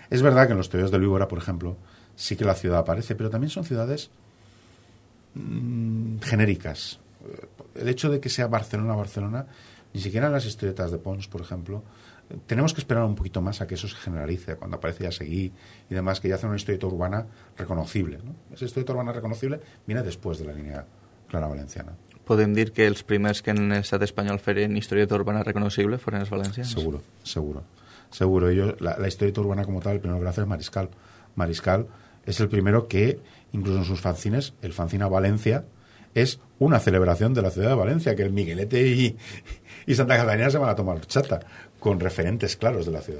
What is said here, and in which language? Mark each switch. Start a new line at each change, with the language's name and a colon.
Spanish: Es verdad que en los TVOs de Víbora, por ejemplo, sí que la ciudad aparece, pero también son ciudades genéricas. El hecho de que sea Barcelona, Barcelona, ni siquiera en las historietas de Pons, por ejemplo, tenemos que esperar un poquito más a que eso se generalice, cuando aparece ya Seguí y demás, que ya hacen una historieta urbana reconocible, ¿no? Esa historieta urbana reconocible viene después de la línea Clara Valenciana.
Catalan: ¿Podem dir que els primers que en l'estat espanyol feren historieta urbana reconocible foren els valencians?
Spanish: Seguro, seguro. Seguro. Yo, la historieta urbana como tal, el primero que hace es Mariscal. Mariscal es el primero que, incluso en sus fanzines, el fanzine a Valencia es una celebración de la ciudad de Valencia, que el Miguelete y Santa Catalina se van a tomar chata, con referentes claros de la ciudad.